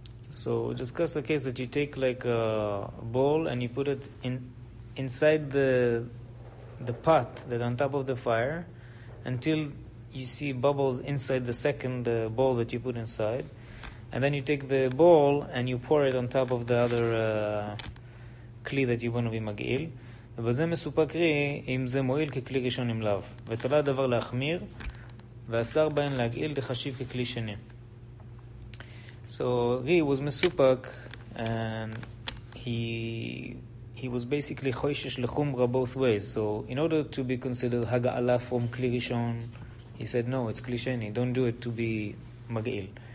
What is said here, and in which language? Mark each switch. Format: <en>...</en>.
<en>So discuss the case that you take like a bowl and you put it inside the pot that on top of the fire, until you see bubbles inside the second bowl that you put inside, and then you take the bowl and you pour it on top of the other kli that you want to be magil.</en> <he>ובזה מסופק רי אם זה מועיל ככלי ראשון עם לב ותלה הדבר להחמיר ואסר בהן להגעיל לחשיב ככלי שני.</he> <en>So רי was מסופק and he was basically choishesh lechumra both ways. So in order to be considered haga'ala from kli rishon, he said, no, it's kli sheni, don't do it to be maga'il.</en>